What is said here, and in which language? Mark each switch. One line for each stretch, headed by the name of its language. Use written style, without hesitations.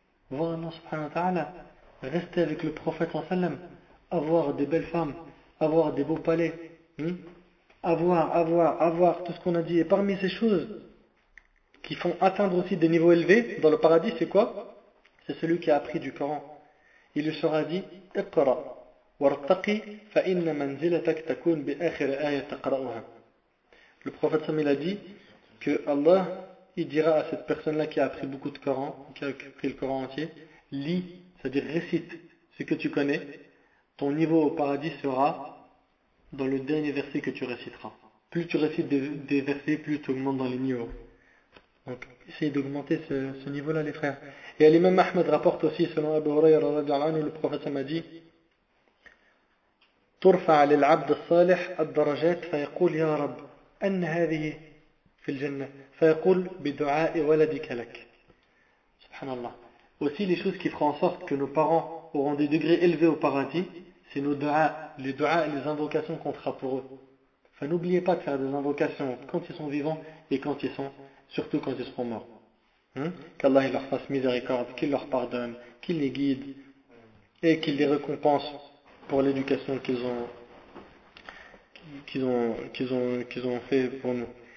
French: Voir Allah subhanahu wa ta'ala, rester avec le prophète sallallahu alayhi wa sallam, avoir des belles femmes, avoir des beaux palais, avoir tout ce qu'on a dit. Et parmi ces choses qui font atteindre aussi des niveaux élevés dans le paradis, c'est quoi? C'est celui qui a appris du Coran. Il lui sera dit,
Arabic: اقرأ وارتقي فإن منزلتك تكون بآخر آية تقرأها.
French: Le prophète sallallahu alayhi wa sallam a dit que Allah, il dira à cette personne-là qui a appris beaucoup de Coran, qui a appris le Coran entier, lis, c'est-à-dire récite ce que tu connais, ton niveau au paradis sera dans le dernier verset que tu réciteras. Plus tu récites des versets, plus tu augmentes dans les niveaux. Donc, essayez d'augmenter ce niveau-là, les frères. Et l'imam Ahmed rapporte aussi, selon Abu Hurayra radhiyallahu anhu, le prophète m'a dit,
Arabic: ترفع للعبد الصالح الدرجات فيقول يا رب أن هذه في الجنة فيقول بدعاء ولدك لك. سبحان الله.
French: Aussi les choses qui feront en sorte que nos parents auront des degrés élevés au paradis, c'est nos duas, les duas et les invocations qu'on fera pour eux. Enfin, n'oubliez pas de faire des invocations quand ils sont vivants et quand ils sont, surtout quand ils seront morts. Qu'Allah leur fasse miséricorde, qu'il leur pardonne, qu'il les guide et qu'il les récompense pour l'éducation qu'ils ont fait pour nous.